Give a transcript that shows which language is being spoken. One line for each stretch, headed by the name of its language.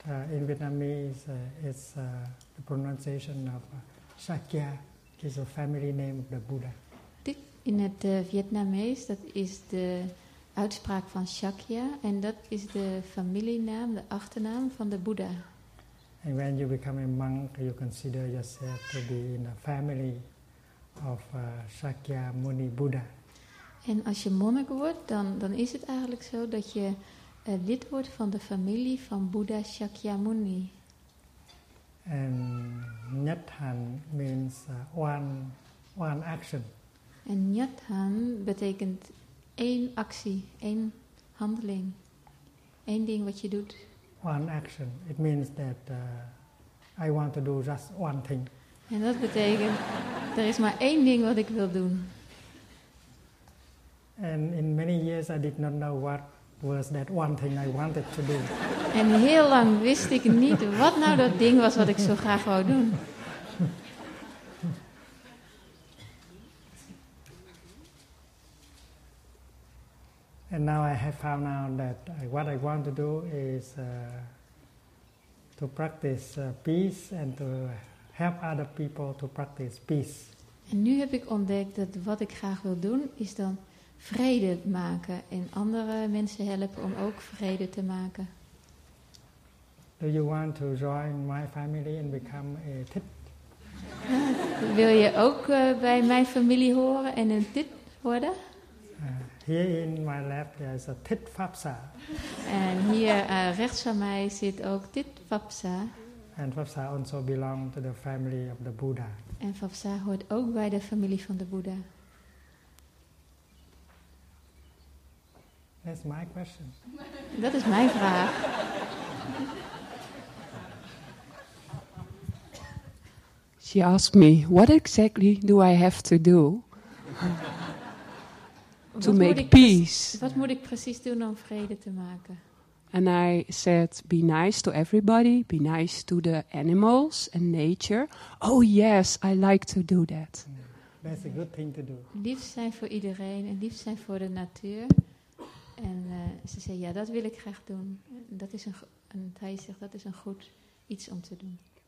English: In Vietnamese, it's the pronunciation of Shakya, which is a family name of the Buddha.
Dutch: Thich in het Vietnamese, dat is de uitspraak van Shakya, en dat is de familienaam, de achternaam van de Buddha.
English: And when you become a monk, you consider yourself to be in a family of Shakya Muni Buddha.
Dutch: En als je monnik wordt, dan is het eigenlijk zo dat je lid wordt van de familie van Buddha Shakyamuni.
English: En Nhat Hanh means one action.
Dutch: En Nhat Hanh betekent 1 actie, 1 handeling, 1 ding wat je doet.
English: One action. It means that I want to do just one thing.
Dutch: En dat betekent er is maar 1 ding wat ik wil doen.
English: And in many years I did not know what was that one thing I wanted to do.
Dutch: En heel lang wist ik niet wat nou dat ding was wat ik zo graag wou doen.
English: And now I have found out that what I want to do is to practice peace and to help other people to practice peace.
Dutch: En nu heb ik ontdekt dat wat ik graag wil doen is dan vrede maken en andere mensen helpen om ook vrede te maken.
English: Do you want to join my family and become a tit?
Dutch: Wil je ook bij mijn familie horen en een tit worden?
English: Here in my lap there is a tit Vapsa.
Dutch: En hier rechts van mij zit ook tit Vapsa.
English: And Vapsa also belongs to the family of the Buddha.
Dutch: En Vapsa hoort ook bij de familie van de Boeddha.
English: That's my question.
Dutch: Dat is mijn vraag.
English: She asked me, what exactly do I have to do to make peace?
Dutch: Wat moet ik precies doen om vrede te maken?
English: And I said, be nice to everybody, be nice to the animals and nature. Oh yes, I like to do that. That's a good thing to do.
Dutch: Lief zijn voor iedereen en lief zijn voor de natuur. En ze zei, ja, dat wil ik graag doen. Dat is en hij zegt, dat is een goed iets om te doen.